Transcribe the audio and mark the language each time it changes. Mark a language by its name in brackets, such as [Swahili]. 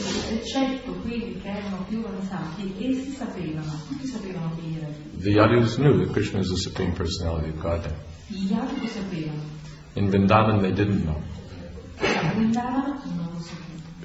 [Italian] Eccetto quelli che erano più avanzati, essi sapevano, tutti sapevano chi era. [English] The Yadus knew that Krishna is the supreme personality of Godhead. [Italian] Gli Yadu lo sapevano. [English] In Vrindavan they didn't know. [Italian] In Vrindavan non lo sapevano.